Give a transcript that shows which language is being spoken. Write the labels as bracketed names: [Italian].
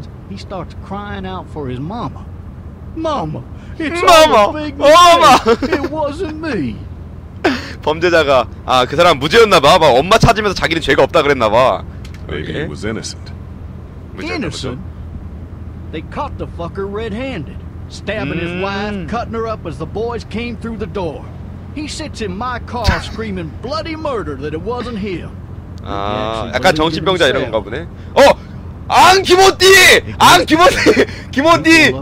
[English] He starts crying out for his mama. Mama, it's mama. Mama, it wasn't me. [Korean] 범죄자가 아 그 사람 무죄였나 봐. 막 엄마 찾으면서 자기는 죄가 없다 그랬나 봐. [English] Maybe he was innocent. Innocent? They caught the fucker red-handed, stabbing his wife, cutting her up as the boys came through the door. He sits in my car screaming bloody murder that it wasn't him. [Korean] 아, 약간 정신병자 이런 건가 보네. 안 김오띠! 안 김오띠! 김오띠!